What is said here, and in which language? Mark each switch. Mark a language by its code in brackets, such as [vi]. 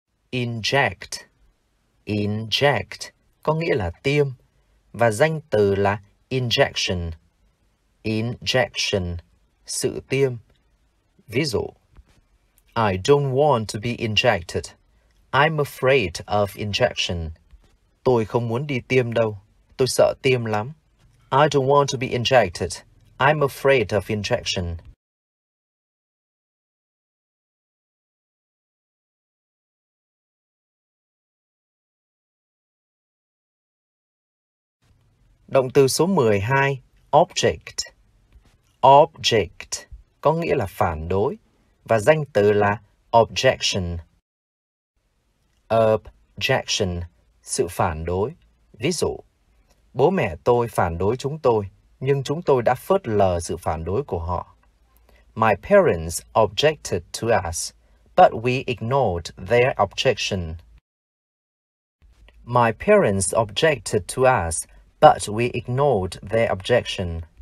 [vi] Inject. Inject có nghĩa là tiêm và danh từ là injection. Injection, sự tiêm. Ví dụ, [en] I don't want to be injected. I'm afraid of injection. [vi] Tôi không muốn đi tiêm đâu. Tôi sợ tiêm lắm. [en] I don't want to be injected. I'm afraid of injection. [vi] Động từ số 12, object. Object có nghĩa là phản đối và danh từ là objection. Objection, sự phản đối. Ví dụ, bố mẹ tôi phản đối chúng tôi, nhưng chúng tôi đã phớt lờ sự phản đối của họ. [en] My parents objected to us, but we ignored their objection. My parents objected to us, but we ignored their objection.